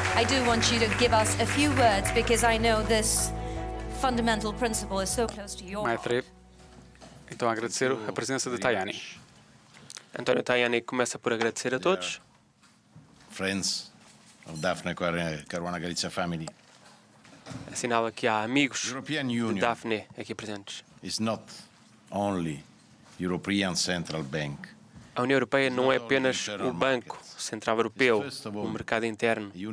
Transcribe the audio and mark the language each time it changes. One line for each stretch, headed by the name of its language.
English: I do want you to give us a few words because I know this fundamental principle is so close to your heart.
Portuguese: Maitre, então agradecer a presença de Tajani. António Tajani começa por agradecer a todos.
English: Friends of Daphne Caruana Galizia family.
Portuguese: Assinala que há amigos de Daphne aqui presentes.
English: It's not only European Central Bank.
Portuguese: A União Europeia não é apenas o Banco Central Europeu, o mercado interno.